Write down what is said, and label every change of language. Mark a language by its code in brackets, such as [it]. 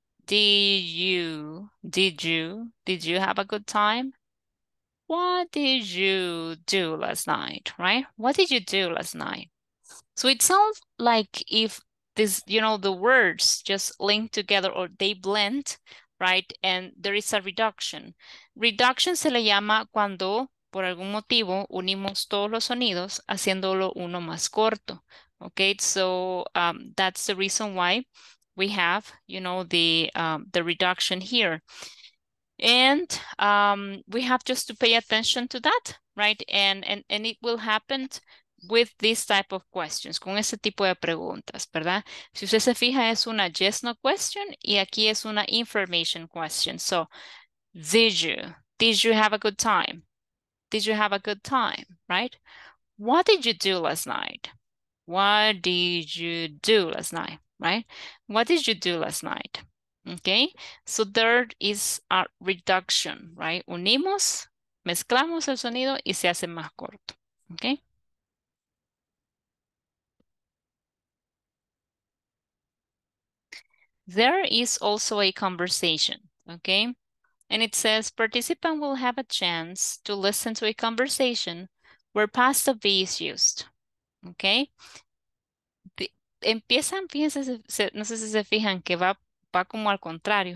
[en] Did you have a good time? What did you do last night, right? What did you do last night? So it sounds like if this, you know, the words just link together or they blend, right? And there is a reduction. [es] Reduction se le llama cuando por algún motivo unimos todos los sonidos haciéndolo uno más corto. [en] Okay, so that's the reason why we have, you know, the reduction here. And we have just to pay attention to that, right? And it will happen with this type of questions, [es] con ese tipo de preguntas, ¿verdad? Si usted se fija, es una yes, no question, y aquí es una information question. [en] So, did you have a good time? Did you have a good time, right? What did you do last night? What did you do last night, right? What did you do last night? Okay, so there is a reduction, right? [es] Unimos, mezclamos el sonido y se hace más corto, okay? [en] There is also a conversation, okay? And it says, participant will have a chance to listen to a conversation where past of be is used. [es] Okay, empiezan, fíjense, no sé si se fijan que va como al contrario.